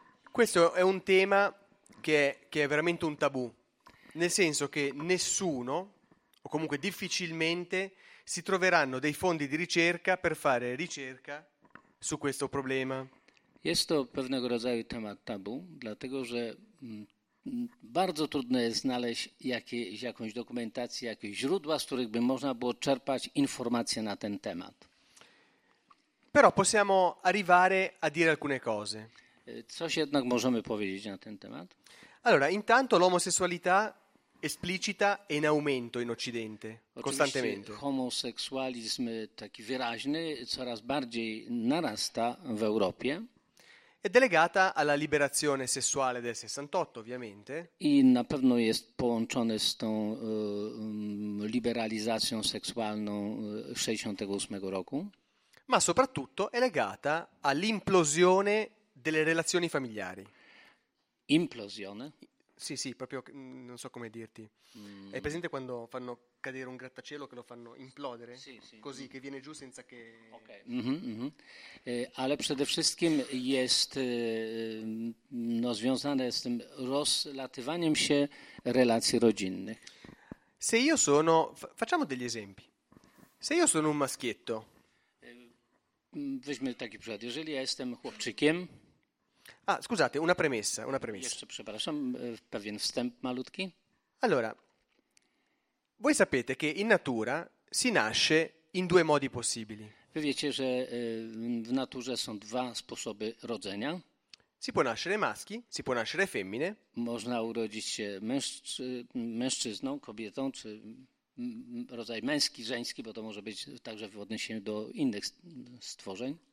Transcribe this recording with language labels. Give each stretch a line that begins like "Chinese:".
Italian: Questo è un tema che è veramente un tabù, nel senso che nessuno, o comunque difficilmente, si troveranno dei fondi di ricerca per fare ricerca su questo problema.
Polish: Jest to pewnego rodzaju temat tabu, dlatego że bardzo trudno jest znaleźć jakąś dokumentację, jakieś źródła, z których by można było czerpać informacje na ten temat.
Italian: Però possiamo arrivare a dire alcune cose.
Polish: Coś jednak możemy powiedzieć na ten temat?
Italian: Allora, intanto l'omosessualità esplicita è in aumento in Occidente.
Polish: Oczywiście
Italian: costantemente.
Polish: Homoseksualizm taki wyraźny coraz bardziej narasta w Europie.
Italian: È delegata alla liberazione sessuale del 68, ovviamente.
Polish: I na pewno jest połączone z tą liberalizacją seksualną 68 roku.
Italian: Ma soprattutto è legata all'implosione delle relazioni familiari. Implosione? Sì, sì, proprio non so come dirti. Mm. È presente quando fanno cadere un grattacielo che lo fanno implodere? Sì, sì. Così, che viene giù senza che... Ok.
Polish: Ale przede wszystkim jest no, związane z tym rozlatywaniem się relacji rodzinnych.
Italian: Se io sono... Facciamo degli esempi. Se io sono un maschietto...
Polish: Weźmy taki przykład. Jeżeli ja jestem chłopczykiem...
Italian: Ah, scusate, una premessa.
Polish: Jeszcze przepraszam, pewien wstęp malutki.
Italian: Allora, voi sapete che in natura si nasce in due modi possibili.
Polish: Wy wiecie, że w naturze są dwa sposoby rodzenia.
Italian: Si può nascere maschi, si può nascere femmine.
Polish: Można urodzić się mężczyzną, kobietą, czy rodzaj męski, żeński, bo to może być także w odniesieniu do innych stworzeń.